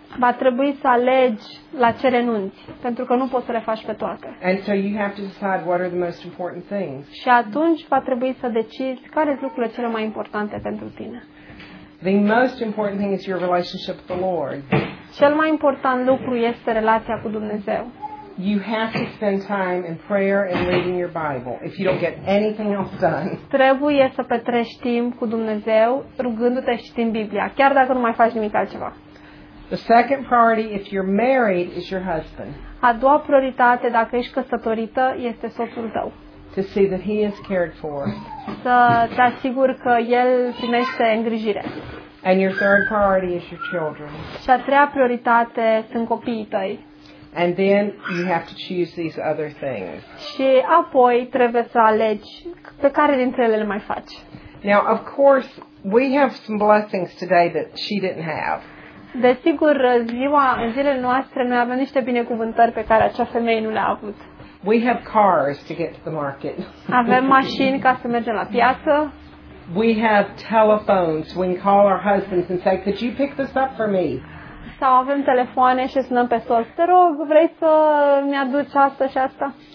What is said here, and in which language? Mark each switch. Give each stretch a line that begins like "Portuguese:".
Romanian: Va trebui să alegi la ce renunți, pentru că nu poți să le faci pe toate.
English: And so you have to decide what are the most important things.
Romanian: Și atunci va trebui să decizi care sunt lucrurile cele mai importante pentru tine.
English: The most important thing is your relationship with the Lord.
Romanian: Cel mai important lucru este relația cu Dumnezeu.
English: You have to spend time in prayer and reading your Bible if you don't get anything else done.
Romanian: Trebuie să petreci timp cu Dumnezeu rugându-te și citind Biblia, chiar dacă nu mai faci nimic altceva.
English: The second priority if you're married is your husband.
Romanian: A doua prioritate dacă ești căsătorită este soțul tău.
English: To see that he is cared for.
Romanian: Să te asiguri că el primește îngrijire.
English: And your third priority is your children.
Romanian: Și a treia prioritate sunt copiii tăi.
English: And then you have to choose these other things.
Romanian: Și apoi trebuie să alegi pe care dintre ele le mai faci.
English: Now, of course, we have some blessings today that she didn't have.
Romanian: Desigur, în zilele noastre noi avem niște binecuvântări pe care acea femeie nu le-a avut.
English: We have cars to get to the market.
Romanian: Avem mașini ca să mergem la piață.
English: We have telephones. We can call our husbands and say, "Could you pick this up for me?"
Romanian: Sau avem telefoane și sunăm pe soț. Te rog, vrei să mi-aduci asta și asta?